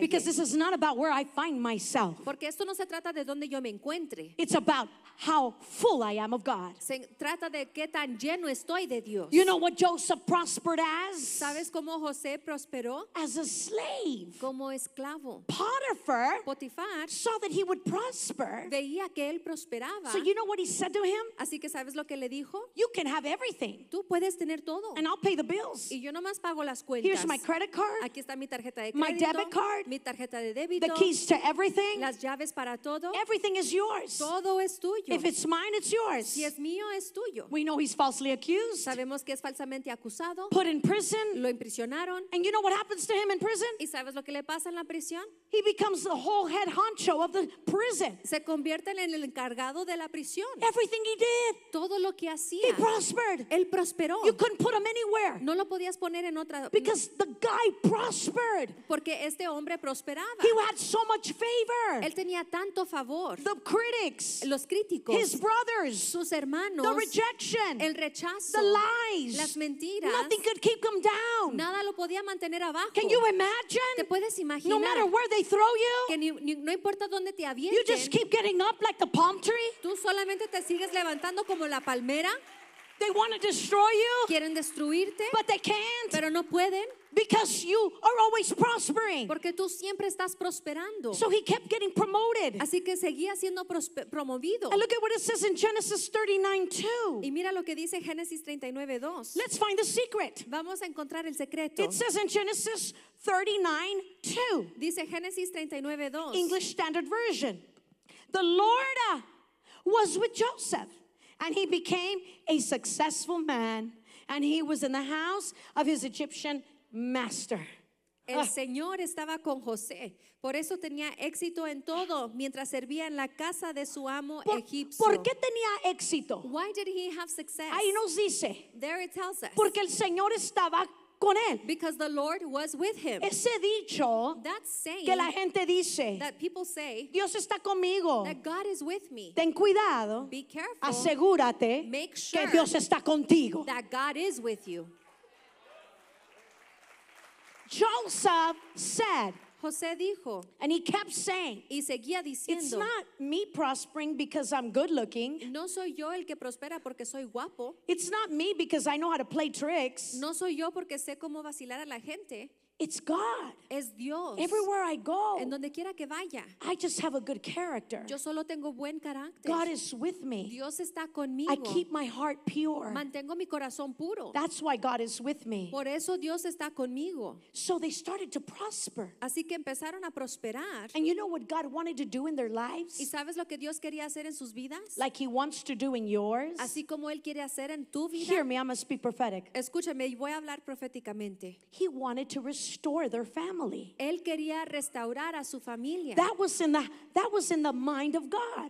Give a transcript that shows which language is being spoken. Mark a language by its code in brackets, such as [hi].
[en] Because this is not about where I find myself. [es] Porque esto no se trata de donde yo me encuentre. [en] It's about how full I am of God. [es] Se trata de qué tan lleno estoy de Dios. [en] You know what Joseph prospered as? [es] ¿Sabes cómo José prosperó? [en] As a slave. [es] Como esclavo. [en] Potiphar, [es] Potifar, [en] saw that he would prosper. [es] Veía que él prosperaba. [en] So you know what he said to him? [es] Así que ¿sabes lo que le dijo? [en] You can have everything. [es] Tú puedes tener todo. [en] And I'll pay the bills. [es] Y yo nomás pago las cuentas. [en] Here's my credit card. [es] Aquí está mi tarjeta de crédito. [en] My debit card. [es] Mi tarjeta de débito. [en] The keys to everything. [es] Las llaves para todo. [en] Everything is yours. [es] Todo es tuyo. [en] If it's mine, it's yours. [es] Si es mío, es tuyo. [en] We know he's falsely accused. [es] Sabemos que es falsamente acusado. [en] Put in prison. [es] Lo imprisionaron. [en] And you know what happens to him in prison? [es] ¿Y sabes lo que le pasa en la prisión? [en] He becomes the whole head honcho of the prison. [es] Se convierte en el encargado de la prisión. [en] Everything he did. [es] Todo lo que hacía. [en] He prospered. [es] Él prosperó. [en] You couldn't put him anywhere. [es] No lo podías poner en otra. [en] Because the guy prospered. [es] Porque este hombre prosperaba. [en] He had so much favor. [es] Él tenía tanto favor. [en] The critics. [es] Los críticos. [en] His brothers. [es] Sus hermanos. [en] The rejection. [es] El rechazo. [en] The lies. [es] Las mentiras. [en] Nothing could keep him down. [es] Nada lo podía mantener abajo. [en] Can you imagine? [es] ¿Te puedes imaginar? [en] No matter where they throw you. [es] Que no importa dónde te avienten. [en] You just keep getting up like the palm tree. [es] Tú solamente te sigues levantando como la palmera. [en] They want to destroy you. [es] Quieren destruirte. [en] But they can't. [es] Pero no pueden. [en] Because you are always prospering. [es] Porque tú siempre estás prosperando. [en] So he kept getting promoted. [es] Así que seguía siendo promovido. [en] And look at what it says in Genesis 39:2. [es] Y mira lo que dice Génesis 39:2. [en] Let's find the secret. [es] Vamos a encontrar el secreto. [en] It says in Genesis 39:2. [es] Dice Génesis 39:2. [en] English Standard Version. The Lord was with Joseph. And he became a successful man, and he was in the house of his Egyptian master. [es] El Señor estaba con José, por eso tenía éxito en todo mientras servía en la casa de su amo egipcio. ¿Por qué tenía éxito? [en] Why did he have success? [es] Ahí nos dice. [en] There it tells us. [es] Porque el Señor estaba con él. [en] Because the Lord was with him. [es] Ese dicho, [en] that saying, [es] que la gente dice, [en] that people say, [es] Dios está conmigo, [en] that God is with me. [es] Ten cuidado, [en] be careful, [es] asegúrate, [en] make sure [es] que Dios está contigo, [en] that God is with you. Joseph said, [es] José dijo, [en] and he kept saying, [es] y seguía diciendo, [en] it's not me prospering because I'm good looking. [es] No soy yo el que prospera porque soy guapo. [en] It's not me because I know how to play tricks. [es] No soy yo porque sé cómo vacilar a la gente. [en] It's God. [es] Es Dios. [en] Everywhere I go, [es] en donde quiera que vaya, [en] I just have a good character. [es] Yo solo tengo buen carácter. [en] God is with me. [es] Dios está conmigo. [en] I keep my heart pure. [es] Mantengo mi corazón puro. [en] That's why God is with me. [es] Por eso Dios está conmigo. [en] So they started to prosper. [es] Así que empezaron a prosperar. [en] And you know what God wanted to do in their lives? [es] ¿Y sabes lo que Dios quería hacer en sus vidas? [en] Like he wants to do in yours. [es] Así como él quiere hacer en tu vida. [en] Hear me, I must speak prophetic. [es] Escúchame, voy a hablar proféticamente. [en] He wanted to restore their family. [es] Él quería restaurar a su familia. [en] That was in the mind of God.